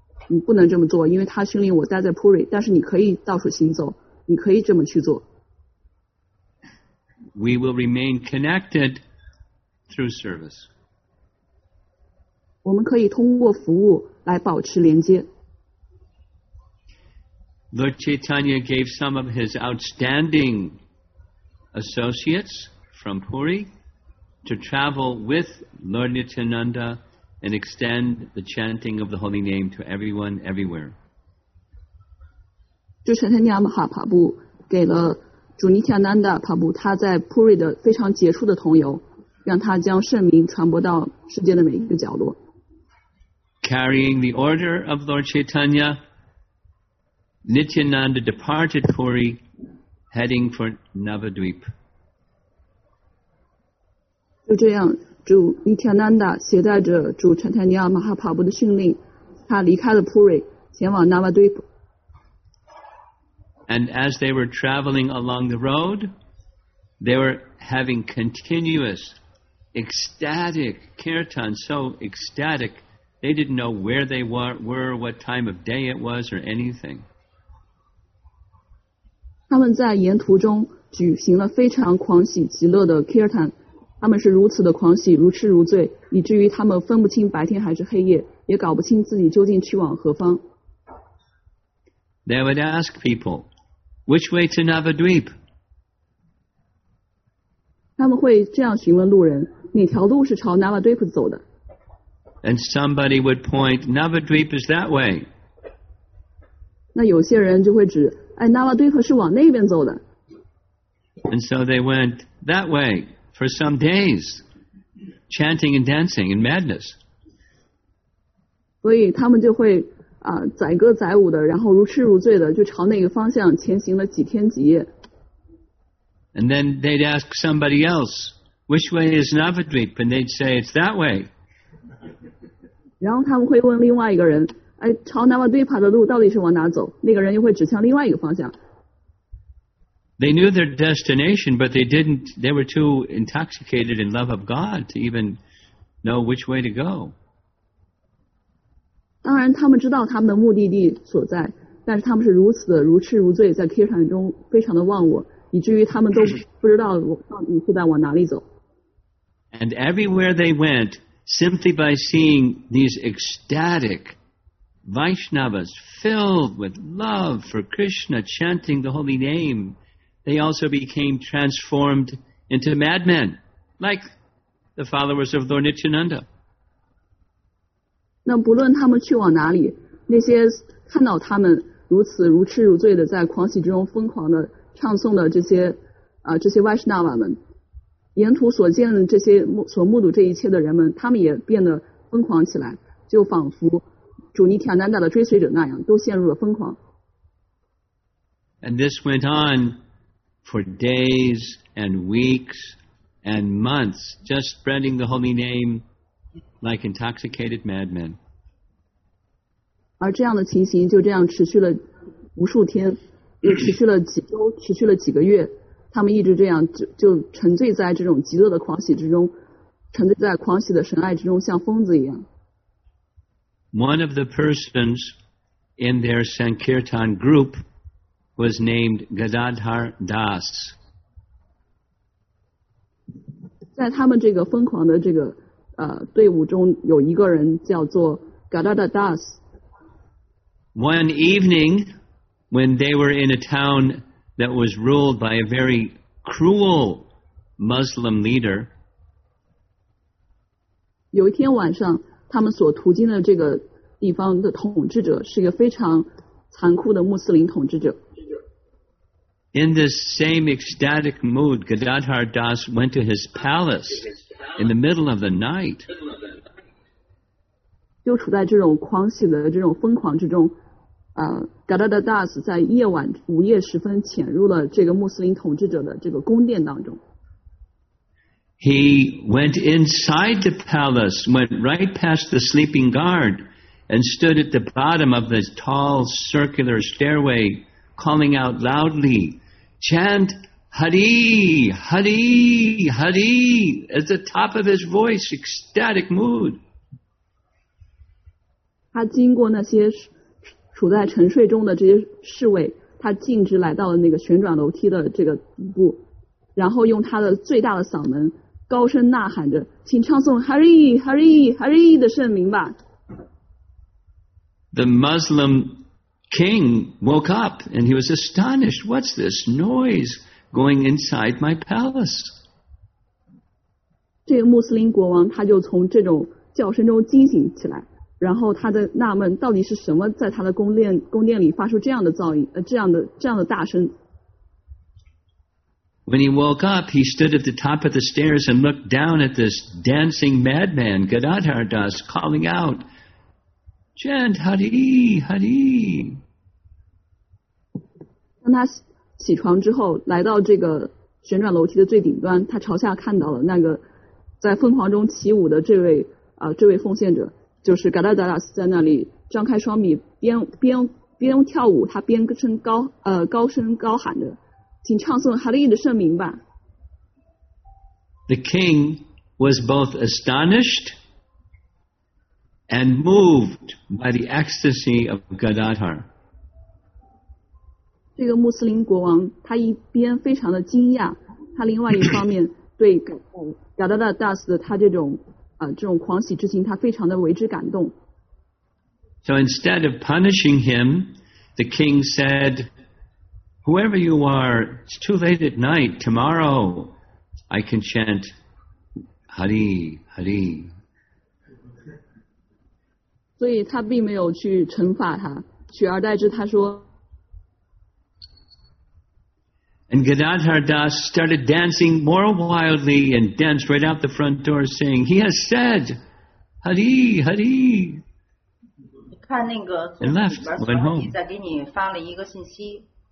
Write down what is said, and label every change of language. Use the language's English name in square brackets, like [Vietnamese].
[Chinese] 你不能这么做，因为他训练我待在 Puri， 但是你可以到处行走，你可以这么去做。 [English] We will remain connected through service. [Chinese] 我们可以通过服务来保持连接。 [English] Lord Chaitanya gave some of his outstanding associates from Puri to travel with Lord Nityananda and extend the chanting of the holy name to everyone, everywhere. [Chinese] 就陈天尼亚马哈帕布给了主尼提亚南达帕布他在 Puri 的非常杰出的同游，让他将圣名传播到世界的每一个角落。 [English] Carrying the order of Lord Chaitanya,Nityananda departed Puri, heading for Navadvip. [Chinese] 就这样，主 Nityananda 携带着主 Chaitanya Mahaprabhu 的训令，他离开了 Puri， 前往 Navadvip. [English] And as they were traveling along the road, they were having continuous, ecstatic kirtan, so ecstatic, they didn't know where they were, what time of day it was, or anything. [Chinese] 他们在沿途中举行了非常狂喜极乐的 kirtan， 他们是如此的狂喜，如痴如醉，以至于他们分不清白天还是黑夜，也搞不清自己究竟去往何方。 [English] They would ask people, which way to Navadvip? [Chinese] 他们会这样询问路人，哪条路是朝 Navadvip 走的？ [English] And somebody would point, Navadvip is that way. [Chinese] 那有些人就会指哎，那瓦堆是往那边走的。 [English] And so they went that way for some days, chanting and dancing in madness. [Chinese] 所以他们就会啊，载歌载舞的，然后如痴如醉的，就朝那个方向前行了几天几夜。 [English] And then they'd ask somebody else, which way is Navadvip? And they'd say it's that way. [Chinese] 然后他们会问另外一个人。哎，朝南瓦堆爬的路到底是往哪走？那个人又会指向另外一个方向。 [English] They knew their destination, but they didn't. They were too intoxicated in love of God to even know which way to go. [Chinese] 当然，他们知道他们的目的地所在，但是他们是如此的如痴如醉，在 kirtan 中非常的忘我，以至于他们都不知道我到底是在往哪里走。 [English] And everywhere they went, simply by seeing these ecstatic. Vaishnavas filled with love for Krishna chanting the holy name, they also became transformed into madmen, like the followers of Lord Nityananda. [Chinese] 那不论他们去往哪里，那些看到他们如此如痴如醉的在狂喜之中疯狂的唱诵的这些这些 Vaishnava 们，沿途所见的这些所目睹这一切的人们，他们也变得疯狂起来，就仿佛主尼提亚南达的追随者那样，都陷入了疯狂。 [English] And this went on for days and weeks and months, just spreading the holy name like intoxicated madmen. [Chinese] 而这样的情形就这样持续了无数天，又持续了几周，持续了几个月。他们一直这样就沉醉在这种极乐的狂喜之中，沉醉在狂喜的神爱之中，像疯子一样。 [English] One of the persons in their Sankirtan group was named Gadadhar Das. [Chinese] 在他们这个疯狂的这个队伍中有一个人叫做 Gadadhar Das. [English] One evening, when they were in a town that was ruled by a very cruel Muslim leader, [Chinese] 有一天晚上，他们所途经的这个地方的统治者是一个非常残酷的穆斯林统治者。 [English] In this same ecstatic mood, Gadadhar Das went to his palace in the middle of the night. [Chinese] 就处在这种狂喜的这种疯狂之中，Gadadhar Das 在夜晚午夜时分潜入了这个穆斯林统治者的这个宫殿当中。 [English] He went inside the palace, went right past the sleeping guard. And stood at the bottom of the tall circular stairway, calling out loudly, chant Hari, Hari, Hari, at the top of his voice, ecstatic mood. [Chinese] 他经过那些处在沉睡中的这些侍卫，他径直来到了那个旋转楼梯的这个底部，然后用他的最大的嗓门高声呐喊着，请唱诵 Hari Hari Hari 的圣名吧。 [English] The Muslim king woke up and he was astonished, what's this noise going inside my palace? [Chinese] 这个穆斯林国王他就从这种叫声中惊醒起来，然后他的纳闷，到底是什么在他的宫殿里发出这样的噪音，这样的大声。 [English] When he woke up, he stood at the top of the stairs and looked down at this dancing madman, Gadadhar Das, calling out, Chant Hari, Hari. [Chinese] 当他起床之后，来到这个旋转楼梯的最顶端，他朝下看到了那个在疯狂中起舞的这位奉献者，就是 Gadadhar Das 在那里张开双臂，边跳舞，他边高声高喊着，请唱诵哈利的圣名吧。 [English] The king was both astonished and moved by the ecstasy of Gadadhar. [Chinese] 这个穆斯林国王，他一边非常的惊讶，他另外一方面对 Gadadhar Das 的他这种狂喜之情，他非常的为之感动。 [English] So instead of punishing him, the king said,Whoever you are, it's too late at night. Tomorrow, I can chant Hari, Hari. [Chinese] 所以他并没有去惩罚他，取而代之，他说。 [English] And Gadadhar Das started dancing more wildly and danced right out the front door saying, He has said, Hari, Hari. [Chinese] 看那个 [English] And left, went home. [Chinese] 在给你发了一个信息。